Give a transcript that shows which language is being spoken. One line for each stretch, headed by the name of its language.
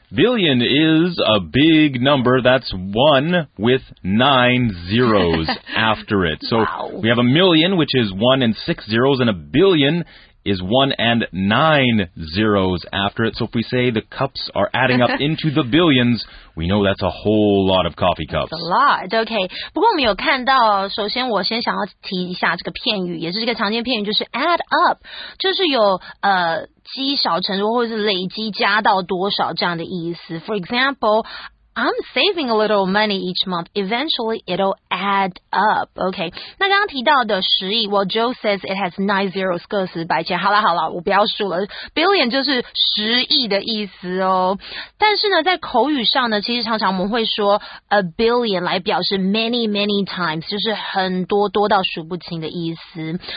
English: Billion is a big number. That's one with 9 zeros after it. So we have a million, which is 1 and 6 zeros, and a billion is 1 and 9 zeros after it. So if we say the cups are adding up into the billions, we know that's a whole lot of coffee cups. That's a lot. Okay.
Chinese: 不过我们有看到，首先我先想要提一下这个片语，也是这个常见片语，就是 add up， 就是有积少成多，或者是累积加到多少这样的意思。
English: For example, I'm saving a little money each month. Eventually, it'll add up. Okay.
Chinese: 那刚刚提到的十亿
English: ，Well, Joe says it has 9 zeros,
Chinese: 个十百千。好啦好啦，我不要数了。Billion 就是十亿的意思哦。但是呢，在口语上呢，其实常常我们会说 a billion 来表示
English: many many times，
Chinese: 就是很多多到数不清的意思。